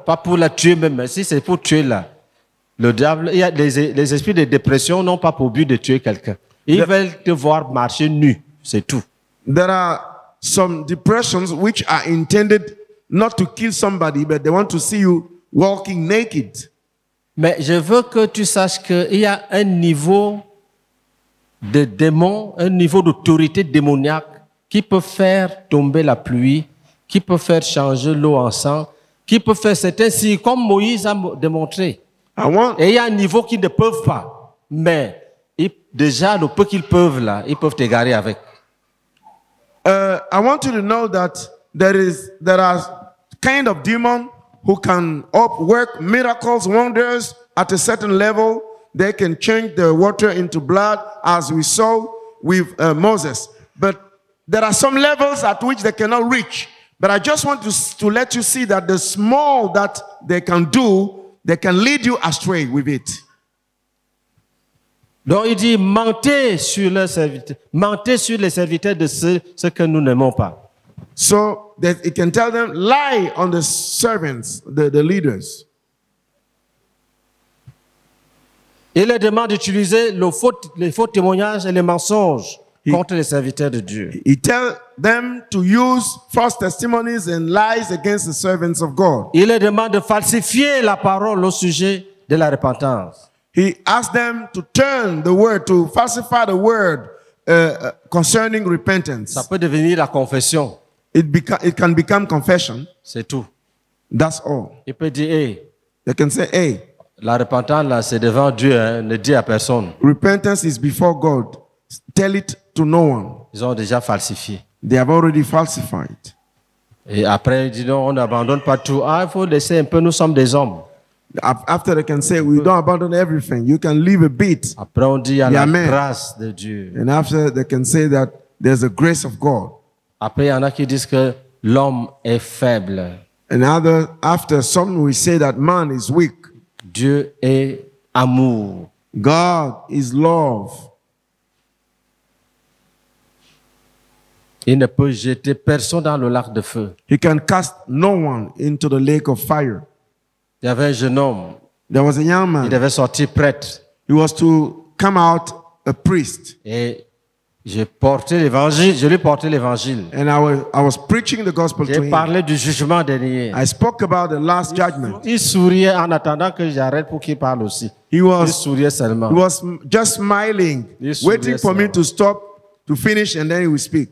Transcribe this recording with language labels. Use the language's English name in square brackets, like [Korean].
[French] Pas pour la tuer même, mais si c'est pour tuer là. Le diable, il y a les esprits de dépression n'ont pas pour but de tuer quelqu'un. Ils veulent te voir marcher nu, c'est tout. [English] There are some depressions which are intended not to kill somebody, but they want to see you walking naked. [French] Mais je veux que tu saches qu'il y a un niveau de démon, un niveau d'autorité démoniaque qui peut faire tomber la pluie, qui peut faire changer l'eau en sang, qui peut faire certains signes comme Moïse a démontré. Et il y a un niveau qu'ils ne peuvent pas, mais déjà le peu qu'ils peuvent là, ils peuvent t'égarer avec. [English] I want you to know that there are kind of demons who can work miracles, wonders at a certain level. They can change the water into blood, as we saw with Moses. But there are some levels at which they cannot reach. But I just want to let you see that the small that they can do, they can lead you astray with it. [French] Donc il dit, mentez sur les serviteurs de ce que nous n'aimons pas. [English] So that it can tell them, lie on the servants, the leaders. [French] Il leur demande d'utiliser les faux témoignages et les mensonges contre les serviteurs de Dieu. [English] He tell them to use false testimonies and lies against the servants of God. [French] Il leur demande de falsifier la parole au sujet de la repentance. [English] He asked them to turn the word, to falsify the word concerning repentance. [French] Ça peut devenir la confession. [English] It can become confession. [French] C'est tout. [English] That's all. [French] Il peut dire, hey. [English] They can say, hey. [French] La repentance là, c'est devant Dieu, hein, ne dis à personne. [English] Repentance is before God. Tell it to no one. [French] Ils ont déjà falsifié. [English] They have already falsified. [French] Et après, ils disent, on n'abandonne pas tout. Ah, il faut laisser un peu, nous sommes des hommes. [English] After they can say, we don't abandon everything. You can leave a bit. [French] Après on dit, il y a la grâce de Dieu. [English] And after they can say that there's a grace of God. [French] Après, il y en a qui disent que l'homme est faible. [English] And after some we say that man is weak. [French] Dieu est amour. [English] God is love. [French] Il ne peut jeter personne dans le lac de feu. [English] He can cast no one into the lake of fire. [French] Il y avait un jeune homme. [English] There was a young man. [French] Il devait sortir prêtre. [English] He was to come out a priest. [French] Et j'ai porté l'évangile. Je lui ai porté l'évangile. [English] And I was preaching the gospel to him. [French] J'ai parlé du jugement dernier. [English] I spoke about the last judgment. [French] Il souriait en attendant que j'arrête pour qu'il parle aussi. Il souriait seulement. [English] He was just smiling, waiting for me to stop, to finish, and then he would speak.